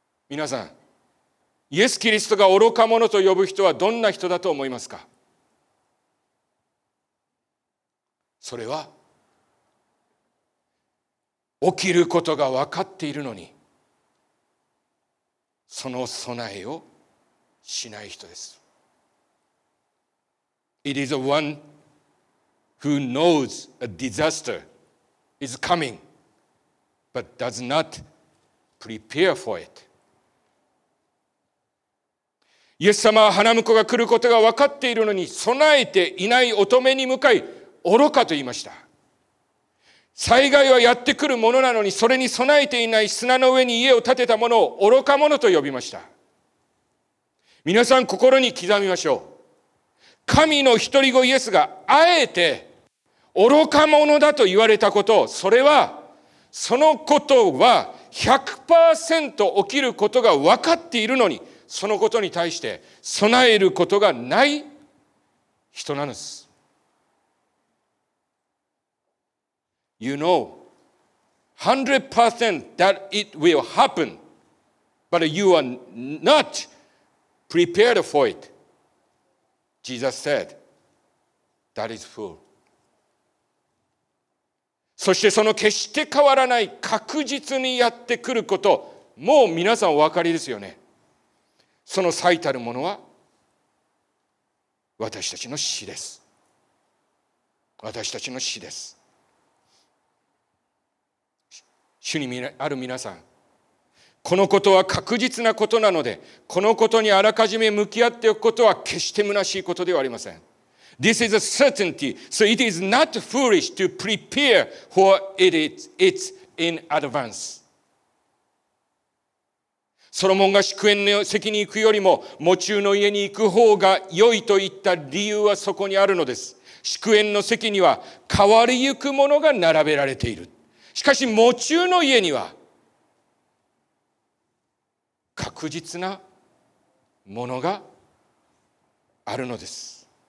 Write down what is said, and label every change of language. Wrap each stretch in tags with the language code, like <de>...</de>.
<ja>皆さん、イエス・キリストが愚か者と呼ぶ人はどんな人だと思いますか？それは起きることが分かっているのに、その備えをしない人です。</ja> <en>It is the one who knows a disaster is coming, but does not prepare for it.</en> <ja>イエス様は花婿が来ることが分かっているのに、備えていない乙女に向かい、愚かと言いました。災害はやってくるものなのに、それに備えていない砂の上に家を建てたものを愚か者と呼びました。皆さん心に刻みましょう。神の独り子イエスがあえて愚か者だと言われたこと、それはそのことは 100% 起きることが分かっているのに、そのことに対して備えることがない人なんです。</ja> <en>You know 100% that it will happen, but you are not prepared for it. Jesus said, that is fool.</en> <ja>そしてその決して変わらない確実にやってくること、もう皆さんお分かりですよね。その最たるものは私たちの死です。私たちの死です。主にある皆さん、このことは確実なことなので、このことにあらかじめ向き合っておくことは決して虚しいことではありません。</ja> <en>This is a certainty, so it is not foolish to prepare for it, it's in advance.</en> <ja>ソロモンが祝宴の席に行くよりも墓中の家に行く方が良いと言った理由はそこにあるのです。祝宴の席には変わりゆくものが並べられている。しかし墓中の家には確実なものがあるのです。</ja>